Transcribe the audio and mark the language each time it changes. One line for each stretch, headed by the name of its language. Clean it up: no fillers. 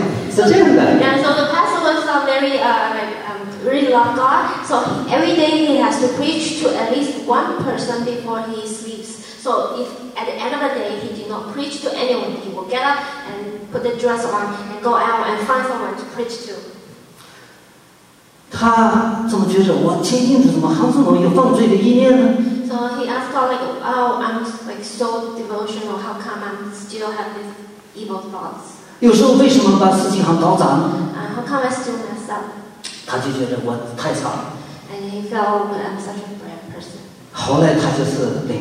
English: So the pastor was very really love God. So every day he has to preach to at least one person before he sleeps. So if at the end of the day he did not preach to anyone, he will get up and put the dress on and go out and find someone to preach to.
Chinese: 他怎么觉得我清清楚，怎么韩松龙有犯罪的意念呢？
English: So he asked God, like, oh, I'm like so devotional, how come I still have these evil thoughts?
Chinese: 有时候为什么把事情搞砸呢？
English: How come I still mess up?
Chinese: 他就觉得我太差了。
English: And he felt I'm such a bad person.